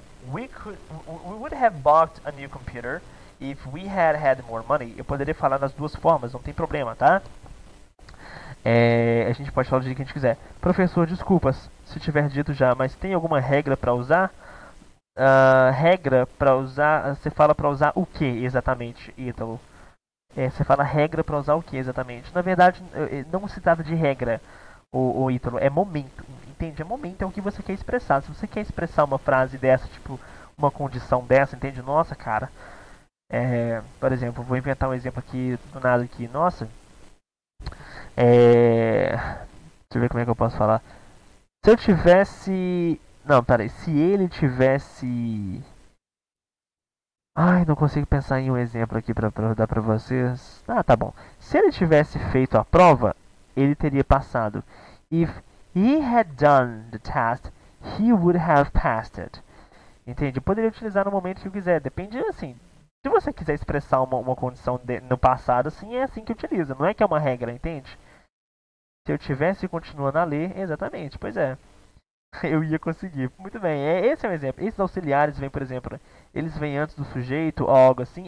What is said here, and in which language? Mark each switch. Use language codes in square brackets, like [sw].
[en] We would have bought a new computer. If we had more money, [pt] eu poderia falar das duas formas, não tem problema, tá? A gente pode falar do jeito que a gente quiser. Professor, desculpas se tiver dito já, mas tem alguma regra para usar? Regra para usar? Você fala para usar o que exatamente, Ítalo? Você fala regra para usar o que exatamente? Na verdade, não se trata de regra, o Ítalo, é momento, entende? É momento, é o que você quer expressar. Se você quer expressar uma frase dessa, tipo, uma condição dessa, entende? Nossa, cara. Por exemplo, vou inventar um exemplo aqui do nada aqui. Nossa. Deixa eu ver como é que eu posso falar. Se eu tivesse. Não, peraí. Se ele tivesse. Ai, não consigo pensar em um exemplo aqui pra dar pra vocês. Ah, tá bom. Se ele tivesse feito a prova, ele teria passado. [en] If he had done the test, he would have passed it. [pt] Entende? Eu poderia utilizar no momento que eu quiser. Depende assim. Se você quiser expressar uma condição no passado, assim é assim que utiliza, não é que é uma regra, entende? Se eu tivesse continuando a ler, exatamente, pois é. Eu ia conseguir. Muito bem, esse é um exemplo. Esses auxiliares vêm, por exemplo, eles vêm antes do sujeito, ou algo assim.